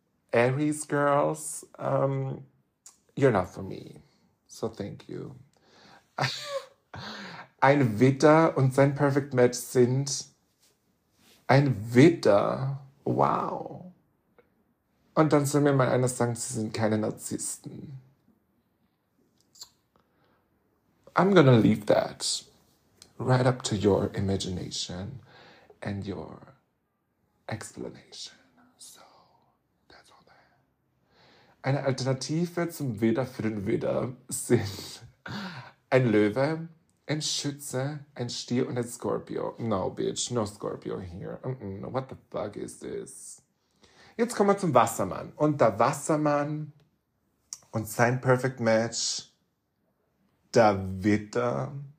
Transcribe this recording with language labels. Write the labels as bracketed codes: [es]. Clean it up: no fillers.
[en] Aries girls, you're not for me, so thank you. [de] Ein Widder und sein perfect match sind ein Widder, wow. Und dann soll mir mal einer sagen, sie sind keine Narzissten. [en] I'm gonna leave that right up to your imagination and your explanation. [de] Eine Alternative zum Widder für den Widder sind ein Löwe, ein Schütze, ein Stier und ein Skorpio. [en] No, bitch, no Scorpio here. What the fuck is this? [de] Jetzt kommen wir zum Wassermann. Und der Wassermann und sein Perfect Match, der Widder